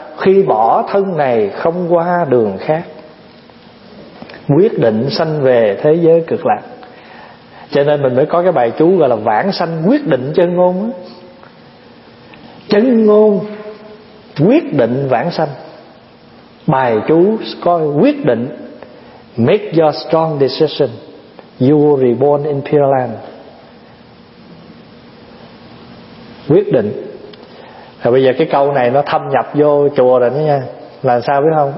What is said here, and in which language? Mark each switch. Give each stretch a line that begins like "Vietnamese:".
Vietnamese: Khi bỏ thân này không qua đường khác, quyết định sanh về thế giới cực lạc. Cho nên mình mới có cái bài chú gọi là vãng sanh quyết định chân ngôn. Chân ngôn quyết định vãng sanh. Bài chú coi quyết định.
English: Make your strong decision. You will reborn in Pure Land.
Vietnamese: Quyết định. Rồi bây giờ cái câu này nó thâm nhập vô chùa rồi đó nha. Là sao biết không?